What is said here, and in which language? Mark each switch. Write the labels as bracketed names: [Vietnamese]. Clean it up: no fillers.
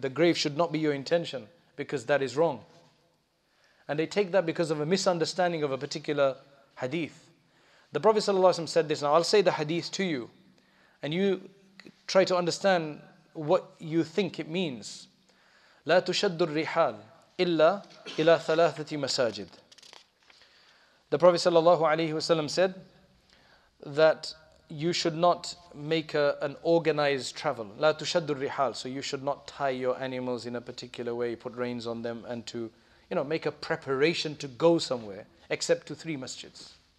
[English] The grave should not be your intention because that is wrong. And they take that because of a misunderstanding of a particular hadith. The Prophet sallallahu alaihi wasallam said this. Now I'll say the hadith to you and you try to understand what you think it means. [Arabic] لا تشد الرحال إلا إلى ثلاثة مساجد. [English] The Prophet sallallahu alaihi wasallam said that you should not make an organized travel. [Arabic] لا تشد الرحال. [English] So you should not tie your animals in a particular way, put reins on them, and to, you know, make a preparation to go somewhere, except to three masjids.